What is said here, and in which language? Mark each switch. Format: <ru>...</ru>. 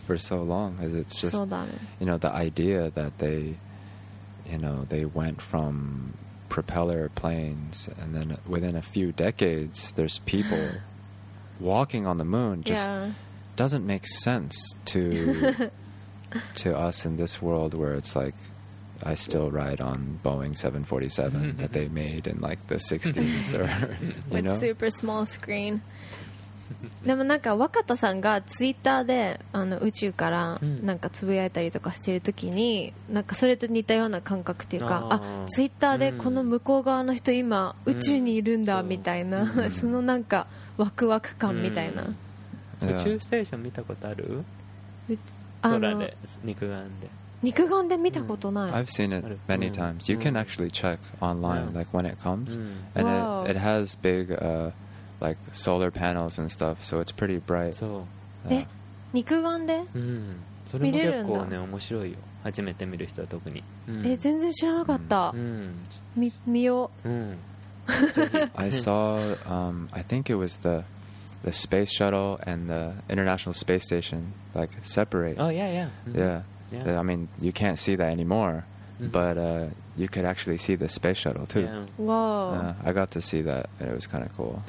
<en>for so long Because it's just you know, the idea that they you know, they went from propeller planes and then within a few decades there's people walking on the moon just doesn't make sense to us in this world where it's like I still ride on Boeing 747 that they made in like the 60s or you with super small screen</en> <ja>でもなんか若田さんがツイッターであの宇宙からなんかつぶやいたりとかしてるときになんかそれと似たような感覚っていうかあツイッターでこの向こう側の人今宇宙にいるんだみたいなそのなんかワクワク感みたいな宇宙ステーション見たことある空で肉眼で肉眼で見たことない</ja> <en>I've seen it many times You can actually check online like when it comes and it has big like solar panels and stuff so it's pretty bright</en> <ja>そう、肉眼で見れるんだ、それも結構ね面白いよ初めて見る人は特に、全然知らなかった、見よう、</ja> <en>I saw I think it was the space shuttle and the international space station like separate oh yeah yeah yeah I mean you can't see that anymore but you could actually see the space shuttle too. Yeah. Whoa. I got to see that and it was kind of cool.</en>